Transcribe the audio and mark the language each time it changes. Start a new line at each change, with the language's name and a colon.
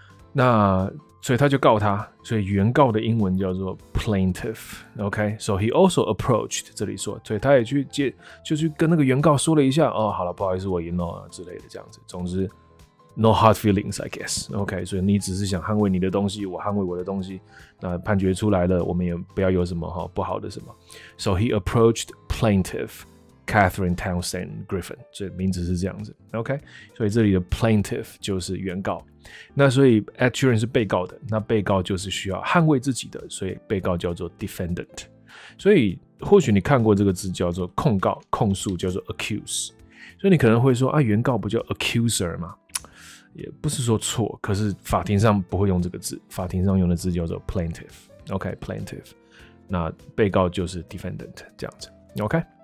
Chinese: 那所以他就告他，所以原告的英文叫做 plaintiff， OK，
English: so he also approached
Chinese: 这里说，所以他也去接，就去跟那个原告说了一下，哦，好了，不好意思，我赢了之类的这样子。总之 ，
English: no hard feelings， I guess，
Chinese: OK， 所以你只是想捍卫你的东西，我捍卫我的东西。那判决出来了，我们也不要有什么不好的什么。
English: So he approached plaintiff Catherine Townsend Griffin，
Chinese: 所以名字是这样子 ，OK， 所以这里的 plaintiff 就是原告。那所以 Aturin 是被告的，那被告就是需要捍卫自己的，所以被告叫做 defendant。所以或许你看过这个字叫做控告，控诉叫做 accuse， 所以你可能会说啊，原告不叫 accuser 吗？也不是说错，可是法庭上不会用这个字，法庭上用的字叫做 plaintiff， OK， plaintiff， 那被告就是 defendant 这样子， OK。